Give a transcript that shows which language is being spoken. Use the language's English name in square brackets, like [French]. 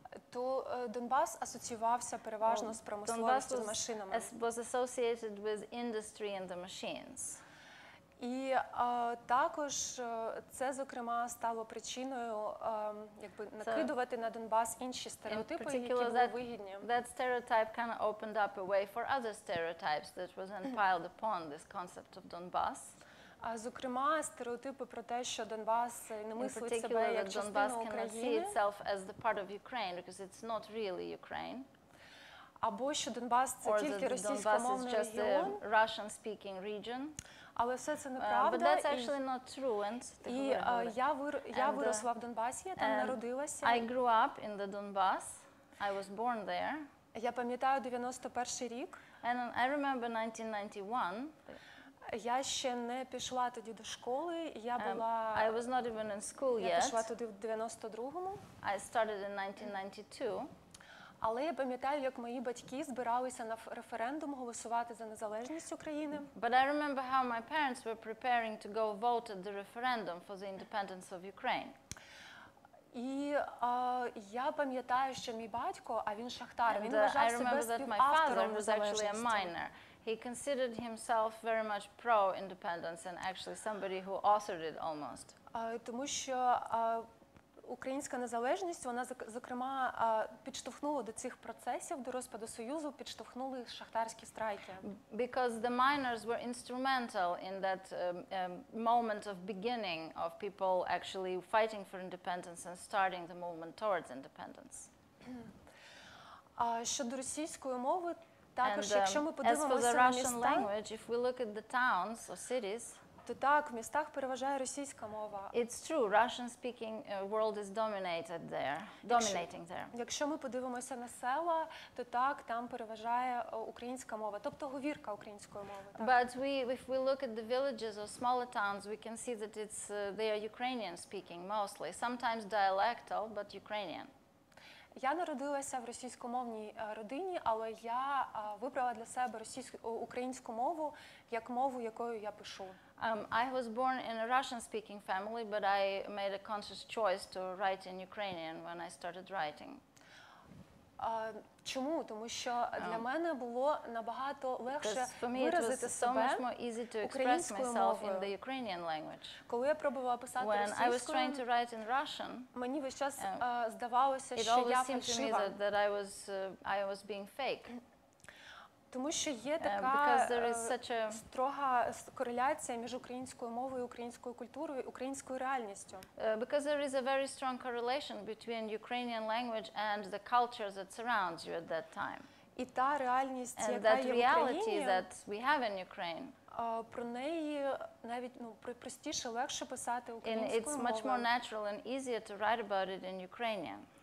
[Ukrainian] То Донбас асоціювався переважно з промисловістю, з машинами. [English] Donbas was associated with industry and the machines. [Ukrainian] І також це, зокрема, стало причиною якби накидувати на Донбас інші стереотипи, які були вигідні. [English] That stereotype kind of opened up a way for other stereotypes that were then piled upon this concept of Donbas. [Ukrainian] А зокрема, стереотипи про те, що Донбас не мислить себе як частину України. [English] Donbas cannot see itself as the part of Ukraine because it's not really Ukraine. [Ukrainian] Або що Донбас це тільки російськомовний регіон, [English] Russian speaking region. [Ukrainian] Але все це неправда. [English] But that's actually not true. And [Ukrainian] я виросла в Донбасі, я там народилася. [English] I grew up in the Donbas. I was born there. [Ukrainian] Я пам'ятаю 91 рік. [English] And I remember 1991. [Ukrainian] Я ще не пішла тоді до школи. Я була [English] I was not even in school [Ukrainian] я [English] yet. [Ukrainian] Я пішла туди в 92-му. [English] I started in 1992. [Ukrainian] Але я пам'ятаю, як мої батьки збиралися на референдум голосувати за незалежність України. [English] But I remember how my parents were preparing to go vote at the referendum for the independence of Ukraine. [Ukrainian] І я пам'ятаю, що мій батько, а він шахтар, він вважав себе співавтором незалежності. [English] My father was actually a miner. He considered himself very much pro-independence and actually somebody who authored it almost. [Ukrainian] Тому що Українська незалежність, вона, зокрема, підштовхнула до цих процесів, до розпаду Союзу, підштовхнули шахтарські страйки. [English] Because the miners were instrumental in that moment of beginning of people actually fighting for independence and starting the movement towards independence. [Ukrainian] Щодо російської мови, також, якщо ми подивимося на міста... [English] As for the Russian language, if we look at the towns or cities... [Ukrainian] То так, в містах переважає російська мова. [English] It's true, Russian-speaking world is dominated there, dominating there. [Ukrainian] Якщо ми подивимося на села, то так, там переважає українська мова, тобто говірка української мови. Так. [English] But if we look at the villages or smaller towns, we can see that it's they are Ukrainian-speaking mostly, sometimes dialectal, but Ukrainian. [Ukrainian] Я народилася в російськомовній родині, але я вибрала для себе українську мову як мову, якою я пишу. [English] I was born in a Russian-speaking family, but I made a conscious choice to write in Ukrainian when I started writing. [Ukrainian] Чому? Тому що для мене було набагато легше виразити себе українською мовою. [English] To express myself in the Ukrainian language. [Ukrainian] Коли я пробувала писати російською, [English] when I was trying to write in Russian, [Ukrainian] мені весь час здавалося, що я фальшива. [English] It always seemed to me that I was being fake. [Ukrainian] Тому що є така строга кореляція між українською мовою, українською культурою, українською реальністю. [English] Because there is a very strong correlation between Ukrainian language and the culture that surrounds you at that time. [Ukrainian] І та реальність, яка є в Україні, [English] and that reality that we have in Ukraine. [Ukrainian] Про неї навіть простіше, легше писати українською мовою. [English] And it's much more natural and easier to write about it in Ukrainian.